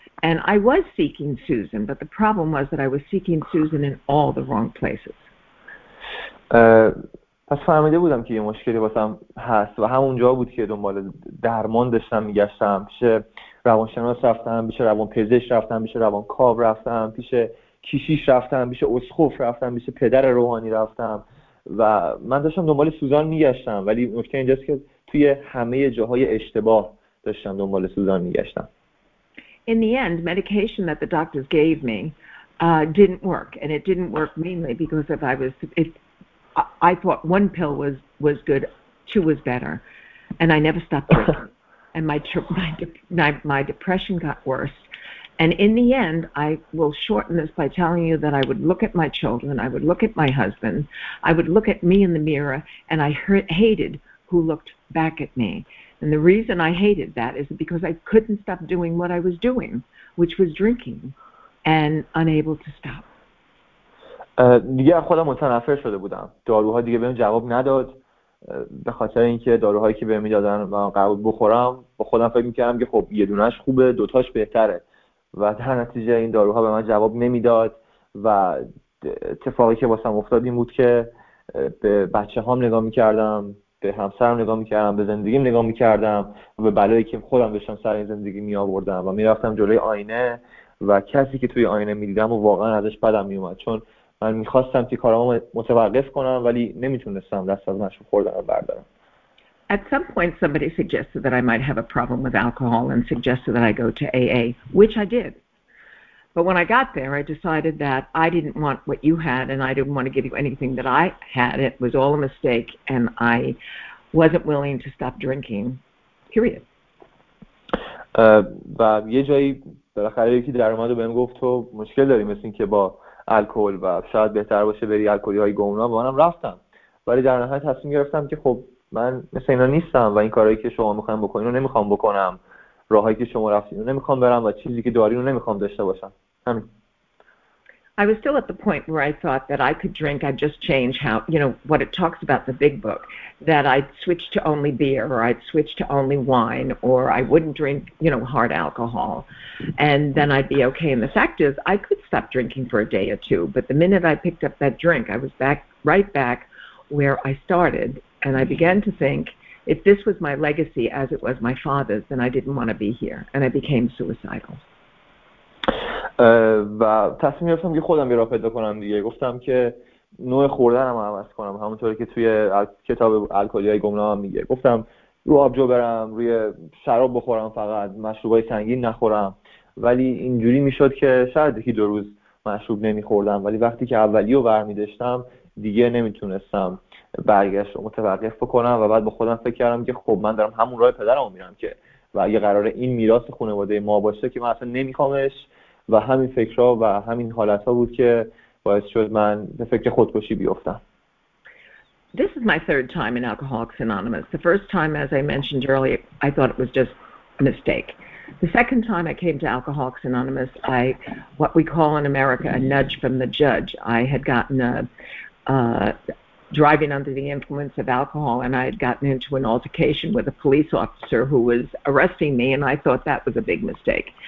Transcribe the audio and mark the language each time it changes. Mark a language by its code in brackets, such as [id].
[en] And I was seeking Susan, but the problem was that I was seeking Susan in all the wrong places. [fa] پس فهمیده بودم که یه مشکلی واسم هست و همونجا بود که دنبال درمان داشتم میگشتم، پیش روانشناس رفتم، پیش روانپزشک رفتم، پیش روانکاو رفتم، پیش کشیش رفتم، پیش اسخف رفتم، پیش پدر روحانی رفتم و من داشتم دنبال سوزان میگشتم، ولی مشکل اینجاست که توی همه جاهای اشتباه داشتم دنبال سوزان میگشتم. [en] In the end, medication that the doctors gave me didn't work, and it didn't work mainly because I thought one pill was good, 2 was better, and I never stopped drinking. And my depression got worse. And in the end, I will shorten this by telling you that I would look at my children, I would look at my husband, I would look at me in the mirror, and I hated who looked back at me. And the reason I hated that is because I couldn't stop doing what I was doing, which was drinking, and unable to stop. [fa] دیگه خودم متنفر شده بودم، داروها دیگه بهم جواب نداد، به خاطر اینکه داروهایی که بهم میدادن و قبول بخورم با خودم فکر میکردم که خب یه دونهش خوبه، دوتاش بهتره، و در نتیجه این داروها به من جواب نمیداد. و اتفاقی که واسم افتاد این بود که به بچه هام نگاه میکردم، به همسرم نگاه میکردم، به زندگیم نگاه میکردم و به بلایی که خودم داشتم سر این زندگی میآوردم و میرفتم جلوی آینه و کسی که توی آینه میدیدم و واقعا ازش بدم میومد، چون من میخواستم که کارامو متوقف کنم ولی نمیتونستم دست از مشروب خوردن بردارم. [en] At some point somebody suggested that I might have a problem with alcohol and suggested that I go to AA, which I did. But when I got there, I decided that I didn't want what you had and I didn't want to give you anything that I had. It was all a mistake and I wasn't willing to stop drinking. Period. [fa] و یه جایی بالاخره یکی در اومد و بهم گفت تو مشکل داری مثل این که با الکل و شاید بهتر باشه بری الکلی های گمنام، با منم رفتم ولی در نهایت تصمیم گرفتم که خب من مثل اینا نیستم و این کارهایی که شما میخواییم بکنین رو نمیخوام بکنم، راهایی که شما رفتین رو نمیخوام برم و چیزی که دارین رو نمیخوام داشته باشم. همین. [en] I was still at the point where I thought that I could drink, I'd just change how, you know, what it talks about the big book, that I'd switch to only beer or I'd switch to only wine or I wouldn't drink, you know, hard alcohol and then I'd be okay. And the fact is I could stop drinking for a day or two, but the minute I picked up that drink, I was right back where I started and I began to think if this was my legacy as it was my father's, then I didn't want to be here and I became suicidal. [fa] و تصمیم گرفتم که خودم یه راه پیدا کنم دیگه، گفتم که نوع خوردنم رو عوض کنم، همونطوری که توی کتاب الکلی های گمنام میگه، گفتم رو آبجو برم، روی شراب بخورم، فقط مشروبای سنگین نخورم. ولی اینجوری میشد که شاید یکی دو روز مشروب نمیخوردم ولی وقتی که اولیو برمیداشتم دیگه نمیتونستم برگشت رو متوقف بکنم و بعد با خودم فکر کردم که خب من دارم همون راه پدرمو میرم که و اگه قراره این میراث خانواده ما باشه که من اصلا نمیخوامش و همین فکرها و همین حالتها بود که باعث شد من به فکر خودکشی بیفتم. [en] This is my third time in Alcoholics Anonymous. The first time, as I mentioned earlier, I thought it was just a mistake. The second time I came to Alcoholics Anonymous, I, what we call in America, a nudge from the judge. I had gotten a driving under the influence of alcohol and I had gotten into an altercation with a police officer who was arresting me and I thought that was a big mistake.